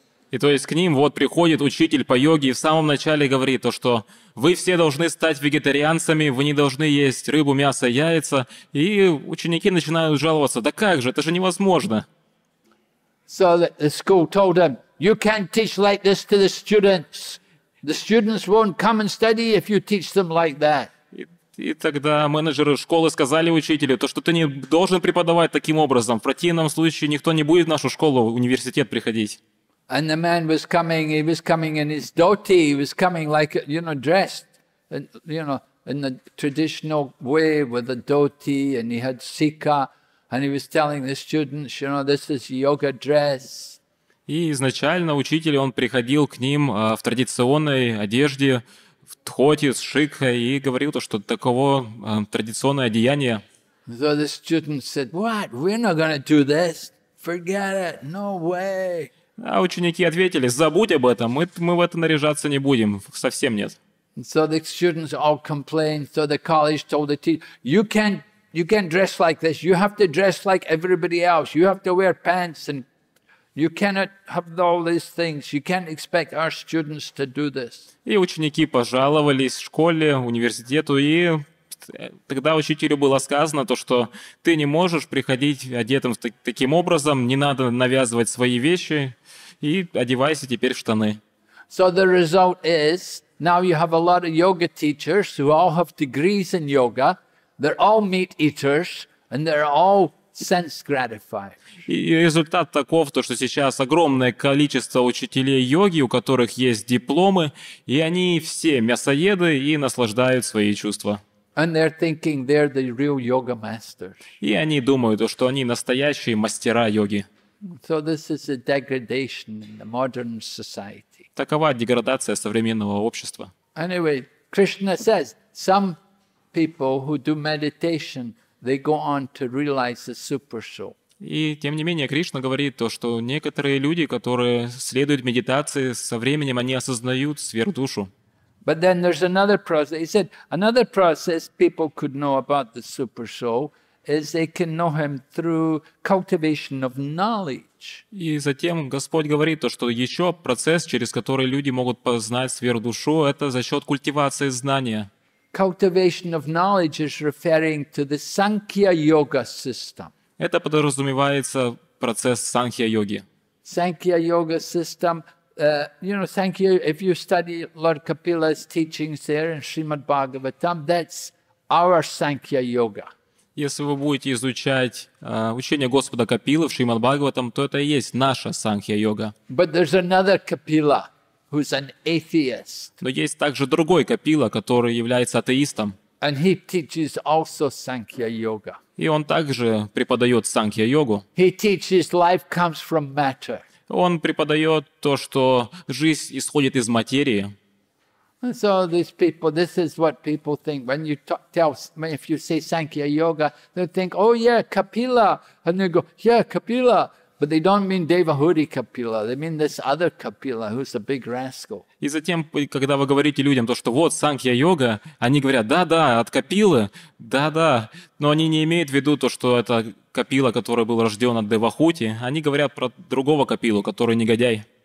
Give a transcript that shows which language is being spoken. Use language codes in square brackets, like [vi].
[ru] И то есть к ним вот приходит учитель по йоге и в самом начале говорит то, что вы все должны стать вегетарианцами, вы не должны есть рыбу, мясо, яйца. И ученики начинают жаловаться, да как же, это же невозможно. [en] So the school told them, you can't teach like this to the students. The students won't come and study if you teach them like that. [ru] И тогда менеджеры школы сказали учителю, то, что ты не должен преподавать таким образом, в противном случае никто не будет в нашу школу, в университет приходить. [en] And the man was coming. He was coming in his dhoti. He was coming like you know, dressed, you know, in the traditional way with a dhoti, and he had sikha, and he was telling the students, you know, this is yoga dress. [ru] И изначально учитель он приходил к ним в традиционной одежде, в дхоти с шикхой, и говорил то, что таково традиционное одеяние. [en] So the students said, "What? We're not going to do this. Forget it. No way." [ru] А ученики ответили, забудь об этом, мы в это наряжаться не будем, совсем нет. [en] So the students all complained, so the college told the teacher, you can't dress like this, you have to dress like everybody else, you have to wear pants, and you cannot have all these things, you can't expect our students to do this. [ru] И ученики пожаловались школе, университету, и тогда учителю было сказано то, что ты не можешь приходить одетым таким образом, не надо навязывать свои вещи. И одевайся теперь в штаны. [en] So the result is now you have a lot of yoga teachers who all have degrees in yoga. They're all meat eaters and they're all sense gratifiers. [ru] И результат таков, то что сейчас огромное количество учителей йоги, у которых есть дипломы, и они все мясоеды и наслаждают свои чувства. [en] And they're thinking they're the real yoga masters. [ru] И они думают, что они настоящие мастера йоги. [en] So this is a degradation in the modern society. [ru] Такова деградация современного общества. [en] Anyway, Krishna says some people who do meditation, they go on to realize the super soul. [ru] И тем не менее Кришна говорит то, что некоторые люди, которые следуют медитации, со временем они осознают сверхдушу. [en] But then there's another process. He said another process people could know about the super soul is they can know him through cultivation of knowledge. [ru] И затем Господь говорит то, что еще процесс, через который люди могут познать сверхдушу, это за счет культивации знания. [en] Cultivation of knowledge is referring to the Sankhya Yoga system. [ru] Это подразумевается процесс Санхья йоги. [en] Sankhya Yoga system, you know, Sankhya. If you study Lord Kapila's teachings there in Srimad Bhagavatam, that's our Sankhya Yoga. [ru] Если вы будете изучать учение Господа Капилы в Шримад Бхагаватам, то это и есть наша Санхья йога. [en] But there's another Kapila who's an atheist. [ru] Но есть также другой Капила, который является атеистом. [en] And he teaches also Sankhya Yoga. [ru] И он также преподает Санхья йогу. [en] He teaches life comes from matter. [ru] Он преподает то, что жизнь исходит из материи. [en] And so these people, this is what people think when you talk, tell, if you say Sankhya Yoga, they think, oh yeah, Kapila, and they go, yeah, Kapila. But they don't mean Devahuti Kapila, they mean this other Kapila who's a big rascal. [ru] И затем, когда вы говорите людям то, что вот Санхья йога, они говорят: "Да-да, от Капилы. Да-да". Но они не имеют в виду то, что это Капила, который был рождён от Девахути, они говорят про другого Капилу, который негодяй.